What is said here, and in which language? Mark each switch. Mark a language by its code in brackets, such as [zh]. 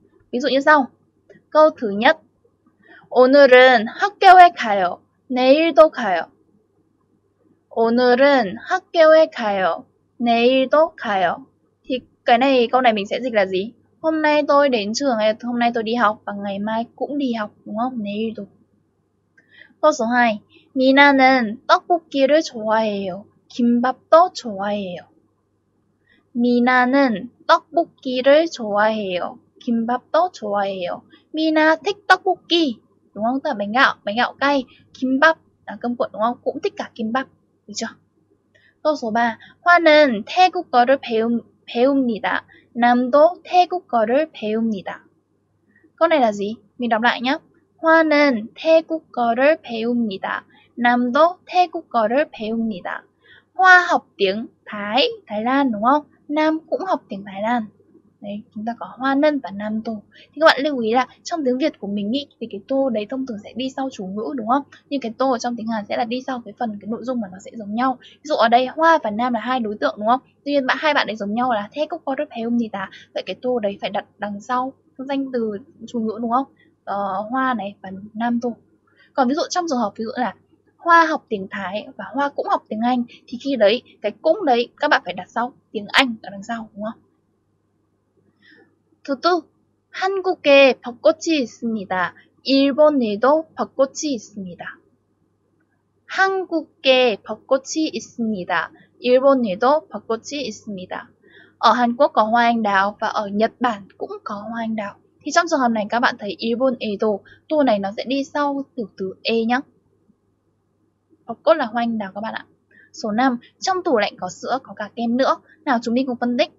[vi] Ví dụ như sau. Câu thứ nhất. [ko] 오늘은 학교에 가요. 내일도 가요. 오늘은 학교에 가요. 내일도 가요. [vi] Thì cái này câu này mình sẽ dịch là gì? Hôm nay tôi đến trường, hôm nay tôi đi học và ngày mai cũng đi học đúng không? [ko] 내일도. [vi] Câu số 2. [ko] 미나는 떡볶이를 좋아해요. 김밥도 좋아해요. 미나는 떡볶이를 좋아해요. 김밥도 좋아해요. 미나 [vi] thích [ko] 떡볶이. [vi] Đúng không? Tức là bánh gạo cay, kimbap là cơm cuộn đúng không? Cũng thích cả kimbap. Được chưa? Câu số 3. [ko] 화는 태국어를 배웁니다. 남도 태국어를 배웁니다. [vi] Câu này là gì? Mình đọc lại nhé. [ko] 화는 태국어를 배웁니다. 남도 태국어를 배웁니다. [vi] Hoa học tiếng Thái, Thái Lan đúng không? Nam cũng học tiếng Thái Lan. Đấy, chúng ta có hoa nân và nam tô. Thì các bạn lưu ý là trong tiếng Việt của mình ý, thì cái tô đấy thông thường sẽ đi sau chủ ngữ đúng không? Nhưng cái tô ở trong tiếng Hàn sẽ là đi sau cái phần cái nội dung mà nó sẽ giống nhau. Ví dụ ở đây hoa và nam là hai đối tượng đúng không? Tuy nhiên hai bạn ấy giống nhau là thế cũng có rất hay không gì ta. Vậy cái tô đấy phải đặt đằng sau danh từ chủ ngữ đúng không? Hoa này và nam tô. Còn ví dụ trong trường hợp ví dụ là hoa học tiếng Thái và hoa cũng học tiếng Anh, thì khi đấy cái cũng đấy các bạn phải đặt sau tiếng Anh ở đằng sau đúng không? Thứ tư, [ko] 한국에 벚꽃이 있습니다. 일본에도 벚꽃이 있습니다. 한국에 벚꽃이 있습니다. 일본에도 벚꽃이 있습니다. [vi] Ở Hàn Quốc có hoa anh đào và ở Nhật Bản cũng có hoa anh đào. Thì trong trường hợp này các bạn thấy [ko] 일본에도, [vi] tô này nó sẽ đi sau tiểu từ e nhé. 벚꽃 là hoa anh đào các bạn ạ. Số 5. Trong tủ lạnh có sữa, có cả kem nữa. Nào chúng mình cùng phân tích.